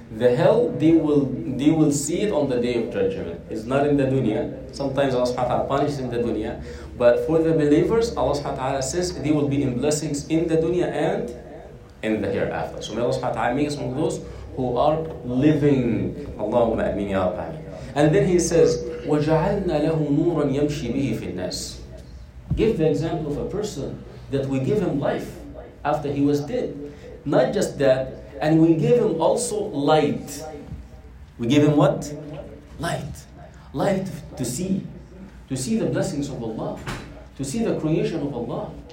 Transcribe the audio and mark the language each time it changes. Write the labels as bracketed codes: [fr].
[en] The hell, they will see it on the day of judgment. It's not in the dunya. Sometimes Allah subhanahu wa ta'ala punishes in the dunya. But for the believers, Allah subhanahu wa ta'ala says they will be in blessings in the dunya and in the hereafter. So may Allah subhanahu wa ta'ala make us among those who are living. Allahumma ameen ya Rabbi Alameen. And then he says, [ar] وَجَعَلْنَا لَهُ نُورًا يَمْشِي بِهِ فِي النَّاسِ. [en] Give the example of a person that we give him life after he was dead. Not just that, and we give him also light. We give him what? Light. Light to see. To see the blessings of Allah. To see the creation of Allah.